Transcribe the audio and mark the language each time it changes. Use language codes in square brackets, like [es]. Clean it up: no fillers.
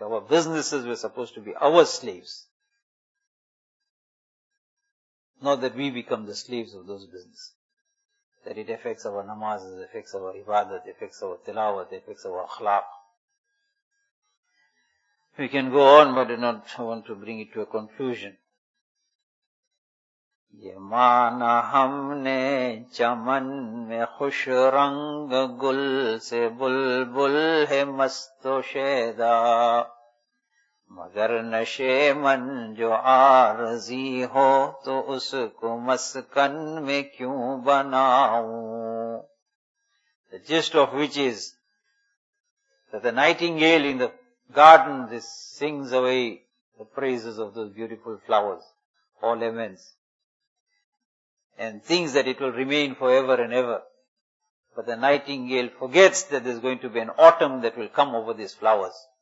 [en] Our businesses were supposed to be our slaves, not that we become the slaves of those businesses. That it affects our namaz, it affects our ibadat, it affects our tilawat, it affects our akhlaq. We can go on, but I do not want to bring it to a conclusion. [ur] یہ مانا ہم نے چمن میں خوش رنگ گل سے بلبل ہے مست و شیدا مگر نشے من جو عارضی ہو تو اس کو مسکن میں کیوں بناؤں. [en] The gist of which is that the nightingale in the garden this sings away the praises of those beautiful flowers or lemons and thinks that it will remain forever and ever. But the nightingale forgets that there's going to be an autumn that will come over these flowers.